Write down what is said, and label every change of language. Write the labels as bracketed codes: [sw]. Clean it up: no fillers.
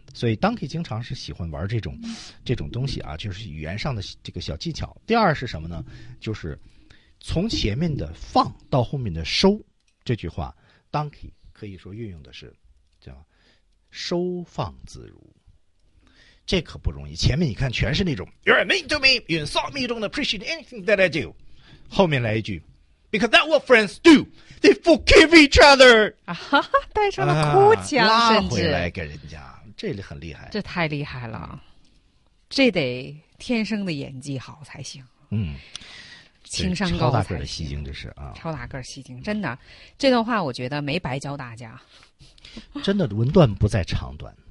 [zh] 所以 Donkey 经常是喜欢玩这种东西啊，就是语言上的这个小技巧。第二是什么呢？就是从前面的放到后面的收，这句话 Donkey 可以说运用的是叫收放自如，这可不容易。前面你看全是那种 [en] You're mean to me, you insult me, you don't appreciate anything that I do， [zh] 后面来一句 [en] Because that's what friends do, they forgive each other， [zh] 啊哈哈，带上了哭腔，拉回来给人家。这里很厉害，这太厉害了，这得天生的演技好才行。嗯，情商高才行，超大个儿戏精，这是啊，超大个儿戏精，真的，这段话我觉得没白教大家。真的，文段不在长短。